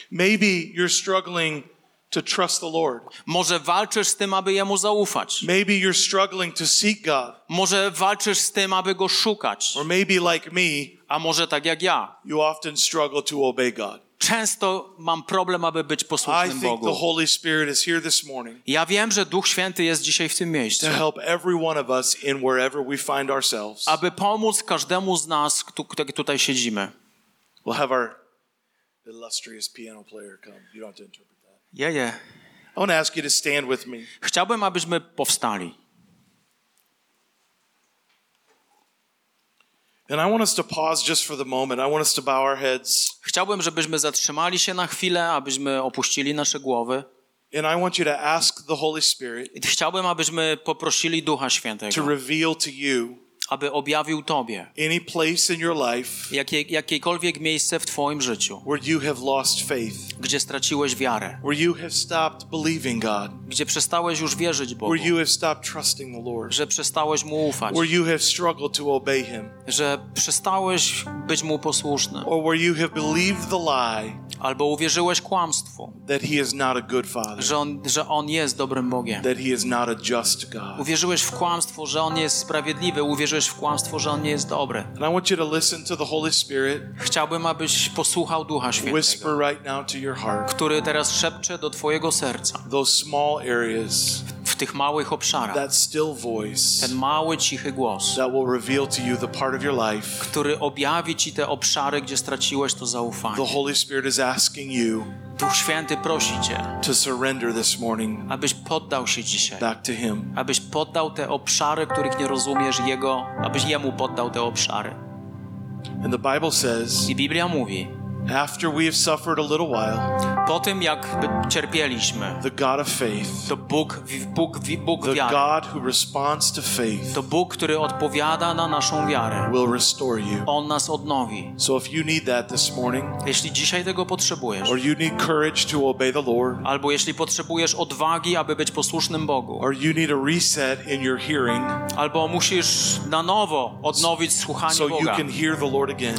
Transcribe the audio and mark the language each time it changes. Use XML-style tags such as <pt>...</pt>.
<en>Maybe you're struggling to trust the Lord.</en> <pl>Może walczysz z tym, aby jemu zaufać.</pl> <en>Maybe you're struggling to seek God.</en> <pl>Może walczysz z tym, aby go szukać.</pl> <en>Or maybe like me,</en> <pl>a może tak jak ja.</pl> <en>You often struggle to obey God.</en> <pl>Często mam problem, aby być posłusznym Bogu.</pl> <en>I think the Holy Spirit is here this morning.</en> <pl>Ja wiem, że Duch Święty jest dzisiaj w tym miejscu.</pl> <en>To help every one of us in wherever we find ourselves.</en> <pl>Aby pomóc każdemu z nas, kto tutaj siedzimy.</pl> <en>We'll have our illustrious piano player come. You don't have to interpret that. Yeah, yeah. I want to ask you to stand with me.</en> <pl>Chciałbym, abyśmy powstali.</pl> <en>And I want us to pause just for the moment. I want us to bow our heads.</en> <pl>Chciałbym, żebyśmy zatrzymali się na chwilę, abyśmy opuścili nasze głowy.</pl> <en>And I want you to ask the Holy Spirit.</en> <pl>Chciałbym, abyśmy poprosili Ducha Świętego.</pl> <en>To reveal to you.</en> <pl>Aby objawił tobie.</pl> <en>Any place in your life.</en> <pl>Jakiekolwiek miejsce w twoim życiu.</pl> <en>Where you have lost faith.</en> <pl>Gdzie straciłeś wiarę.</pl> <en>Where you have stopped believing God.</en> <pl>Gdzie przestałeś już wierzyć Bogu.</pl> <en>Where you have stopped trusting the Lord.</en> <pl>Że przestałeś mu ufać.</pl> <en>Where you have struggled to obey him.</en> <pl>Że przestałeś być mu posłuszny.</pl> <en>Or where you have believed the lie.</en> <pl>Albo uwierzyłeś kłamstwu.</pl> <en>That he is not a good father.</en> <pl>Że on jest dobrym Bogiem.</pl> <en>That he is not a just God.</en> <pl>Uwierzyłeś w kłamstwo, że on jest sprawiedliwy. Uwierzyłeś w kłamstwo, że on nie jest dobry.</pl> <en>And I want you to listen to the Holy Spirit.</en> <pl>Chciałbym, abyś posłuchał Ducha Świętego.</pl> <en>Whisper right now to your heart.</en> <pl>Który teraz szepcze do twojego serca.</pl> <en>Those small areas.</en> <pl>W tych małych obszarach.</pl> <en>That still voice.</en> <pl>Ten mały, cichy głos.</pl> <en>That will reveal to you the part of your life.</en> <pl>Który objawi ci te obszary, gdzie straciłeś to zaufanie.</pl> <en>The Holy Spirit is asking you.</en> <pl>Duch Święty prosi cię.</pl> <en>To surrender this morning.</en> <pl>Abyś poddał się dzisiaj.</pl> <en>Back to him.</en> <pl>Abyś poddał te obszary, których nie rozumiesz jego, abyś jemu poddał te obszary.</pl> <en>And the Bible says.</en> <pl>I Biblia mówi.</pl> <en>After we have suffered a little while,</en> <pl>po tym jak cierpieliśmy,</pl> <en>the God of faith,</en> <pl>to Bóg</pl> <en>the</en> <pl>wiary,</pl> <en>God who responds to faith,</en> <pl>to Bóg, który odpowiada na naszą wiarę,</pl> <en>will restore you.</en> <pl>On nas odnowi.</pl> <en>So if you need that this morning,</en> <pl>jeśli dzisiaj tego potrzebujesz,</pl> <en>or you need courage to obey the Lord,</en> <pl>albo jeśli potrzebujesz odwagi, aby być posłusznym Bogu,</pl> <en>or you need a reset in your hearing,</en> <pl>albo musisz na nowo odnowić słuchanie</pl> <en>so</en> <pl>Boga,</pl> <en>you can hear the Lord again,</en>